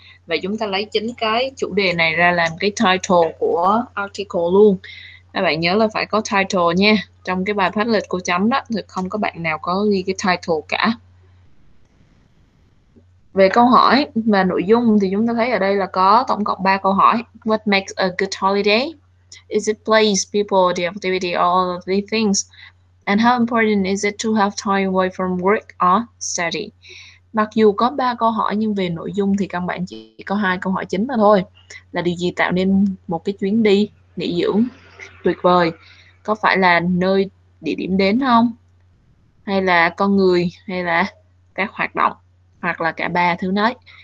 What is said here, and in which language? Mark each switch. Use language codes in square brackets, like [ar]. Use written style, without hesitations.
[vi] Và chúng ta lấy chính cái chủ đề này ra làm cái title của article luôn. Các bạn nhớ là phải có title nha. Trong cái bài Padlet cô chấm đó thì không có bạn nào có ghi cái title cả. Về câu hỏi và nội dung thì chúng ta thấy ở đây là có tổng cộng 3 câu hỏi. [en] What makes a good holiday? Is it place, people, the activity, all of these things? And how important is it to have time away from work or study? [vi] Mặc dù có 3 câu hỏi nhưng về nội dung thì căn bản chỉ có 2 câu hỏi chính mà thôi. Là điều gì tạo nên một cái chuyến đi nghỉ dưỡng tuyệt vời? Có phải là nơi địa điểm đến không? Hay là con người, hay là các hoạt động, hoặc là cả ba thứ đấy.